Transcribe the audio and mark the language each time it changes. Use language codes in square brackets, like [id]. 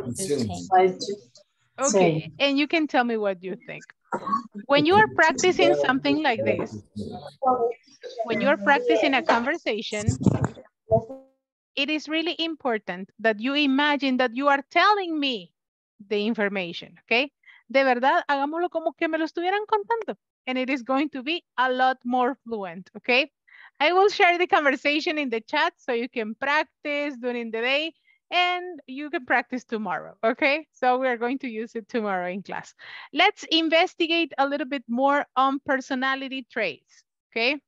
[en] Okay, and you can tell me what you think. When you are practicing something like this, when you are practicing a conversation, it is really important that you imagine that you are telling me the information, okay? [es] De verdad, hagámoslo como que me lo estuvieran contando. [en] And it is going to be a lot more fluent, okay? I will share the conversation in the chat so you can practice during the day and you can practice tomorrow, okay? So we are going to use it tomorrow in class. Let's investigate a little bit more on personality traits, okay?